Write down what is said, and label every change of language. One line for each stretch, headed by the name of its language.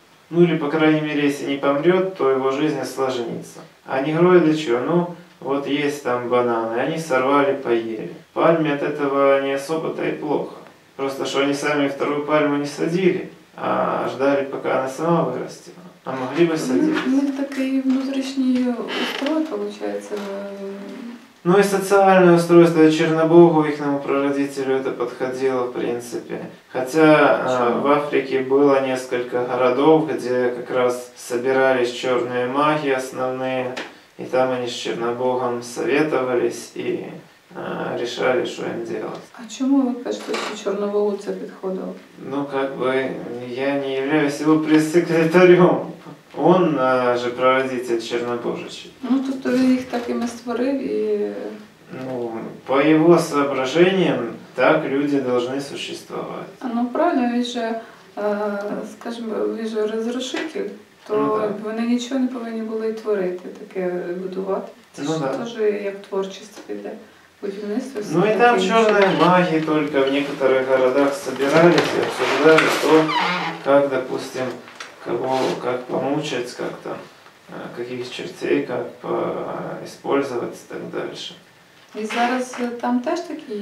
Russian: Ну или, по крайней мере, если не помрет, то его жизнь осложнится. А негроиды что? Ну, вот есть там бананы, они сорвали, поели. Пальме от этого не особо-то и плохо. Просто что они сами вторую пальму не садили, а ждали, пока она сама вырастет. А могли бы садиться?
Ukrainian: У них такий внутрішній устрой, виходить,
Russian: Ну и социальное устройство, и Чернобогу, их прародителю это подходило, в принципе. Хотя в Африке было несколько городов, где как раз собирались черные маги основные, и там они с Чернобогом советовались и решали, что им делать. А чему вы кажете, что Чернобогу это подходило? Ну, как бы, я не являюсь его пресс-секретарем. Он же прародитель Чернобожичи.
Ukrainian: Ну, тобто він їх так і не створив, і... Ну, по його соображенням, так люди повинні существувати. Ну, правильно, він же, скажімо, він же розрушитель, то вони нічого не повинні були і творити, таке будувати. Це ж теж як творчість іде, будівництво. Ну, і там чорні маги тільки в деяких городах збирались і обсуждали, то, як, допустим, кого
Russian: как помучать, как там, каких чертей как использовать и так дальше. И зараз там тоже такие?